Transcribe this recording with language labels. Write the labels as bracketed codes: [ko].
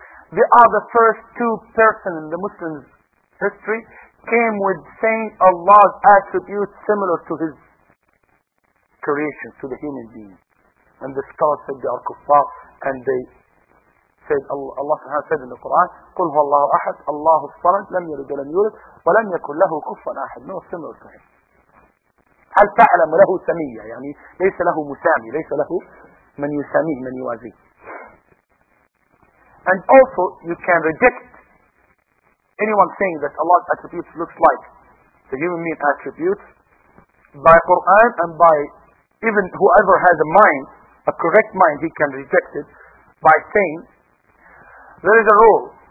[en] They are the first two persons in the Muslim history came with saying Allah's attributes similar to His creation, to the human being. And the scholars said they are kuffar, and they said, Allah said in the Quran, [ar] قُلْ هُوَ اللَّهُ أَحَدٌ اللَّهُ الصَّمَدُ لَمْ يَلِدْ وَلَمْ يُولَدْ وَلَمْ يَكُنْ لَهُ كُفُوًا أَحَدٌ. [en] No, similar to Him. [ar] هَلْ تَعْلَمُ لَهُ سَمِيَّةً, يعني ليس له مسامي, ليس له من يسامي, من يوازي. [en] And also, you can reject anyone saying that Allah's attributes looks like the human being attributes by Quran and by even whoever has a mind, a correct mind, he can reject it by saying there is a rule.